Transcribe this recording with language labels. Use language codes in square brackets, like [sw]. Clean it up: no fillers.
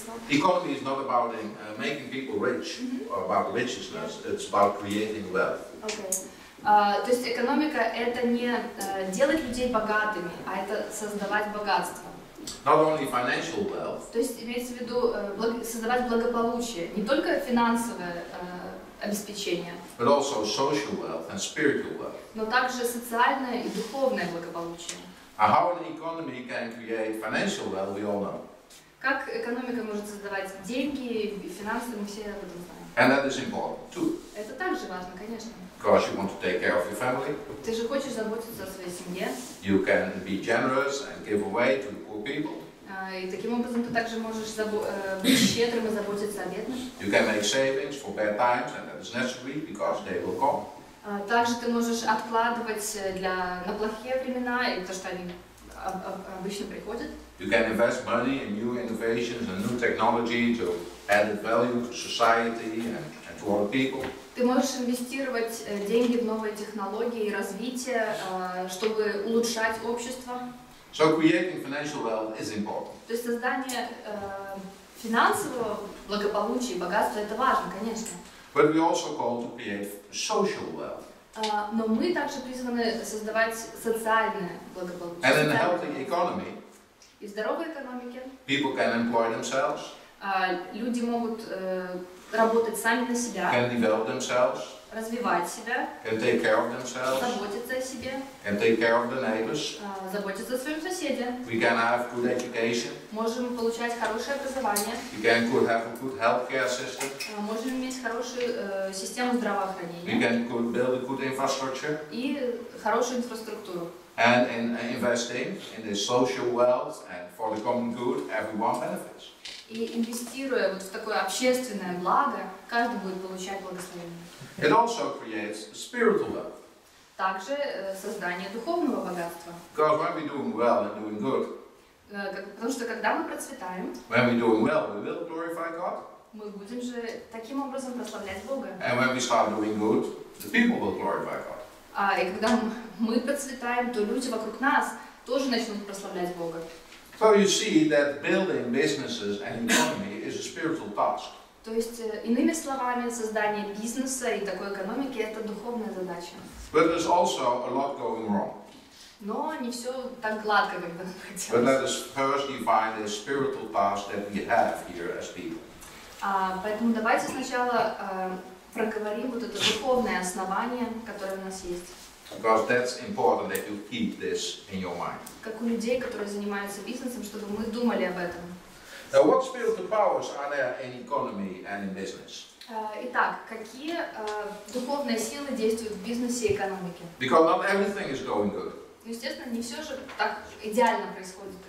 [en] Economy is not about making people rich or about richness. It's about creating wealth. Okay. [ru] То есть экономика это не делать людей богатыми, а это создавать богатство. [en] Not only financial wealth. [ru] То есть имеется в виду создавать благополучие, не только финансовое обеспечение. [en] But also social wealth and spiritual wealth. [ru] Но также социальное и духовное благополучие. [en] How an economy can create financial wealth, we all know. [ru] Как экономика может создавать деньги и финансы, мы все об этом знаем. [en] And that is important too. [ru] Это также важно, конечно. [en] Because you want to take care of your family. [ru] Ты же хочешь заботиться о своей семье. [en] You can be generous and give away to the poor people. [ru] И таким образом ты также можешь быть щедрым и заботиться о бедных. [en] You can make savings for bad times and that is necessary because they will come. [ru] Также ты можешь откладывать на плохие времена и то, что они обычно приходят. [en] You can invest money in new innovations and new technology to add value to society and to other people. [ru] Ты можешь инвестировать деньги в новые технологии и развитие, чтобы улучшать общество. [en] So creating financial wealth is important. [ru] То есть создание финансового благополучия и богатства это важно, конечно. [en] But we also call to create social wealth. [ru] Но мы также призваны создавать социальное благополучие. [en] And in a healthy economy. [ru] И здоровой экономике. [en] People can employ themselves. [ru] Люди могут работать сами на себя. [en] Can develop themselves. [ru] Развивать себя. [en] Can take care of themselves. [ru] Заботиться о себе. [en] Can take care of the neighbors. [ru] Заботиться о своем соседе. [en] We can have good education. [ru] Можем получать хорошее образование. [en] We can could have a good healthcare system. [ru] Можем иметь хорошую систему здравоохранения. [en] We can could build a good infrastructure. [ru] И хорошую инфраструктуру. [en] And in investing in the social wealth and for the common good, everyone benefits. [ru] И инвестируя вот в такое общественное благо, каждый будет получать благословение. [en] It also creates spiritual wealth. [ru] Также создание духовного богатства. [en] Because when we're doing well and doing good. [ru] Потому что когда мы процветаем. [en] When we're doing well, we will glorify God. [ru] Мы будем же таким образом прославлять Бога. [en] And when we start doing good, the people will glorify God. [ru] И когда мы процветаем, то люди вокруг нас тоже начнут прославлять Бога. [en] So you see that building businesses and economy is a spiritual task. [ru] То есть, иными словами, создание бизнеса и такой экономики — это духовная задача. [en] But there's also a lot going wrong. [ru] Но не все так гладко, как бы хотелось. [en] But let us first define the spiritual task that we have here as people. [ru] Поэтому давайте сначала проговорим вот это духовное основание, которое у нас есть. [en] Because that's important that you keep this in your mind. [ru] Как у людей, которые занимаются бизнесом, чтобы мы думали об этом. [en] Now, what spiritual powers are there in economy and in business? [ru] Итак, какие духовные силы действуют в бизнесе и экономике? [en] Because not everything is going good. [ru] Естественно, не все же так идеально происходит.